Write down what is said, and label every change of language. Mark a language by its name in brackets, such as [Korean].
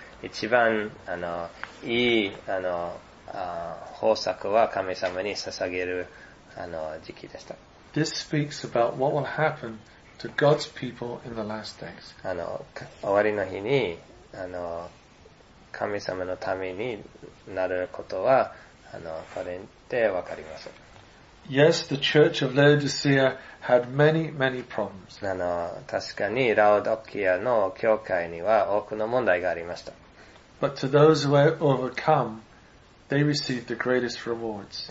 [Japanese] 一番、いい、豊作は神様に捧げる、時期でした。 [English] This speaks about what will happen to God's people in the last days. [Japanese] 終わりの日に神様のためになることはこれでわかります。 [English] Yes, the Church of Laodicea had many, many problems. [Japanese] 確かにラオドキアの教会には多くの問題がありました。 [English] But to those who were overcome, they received the greatest rewards.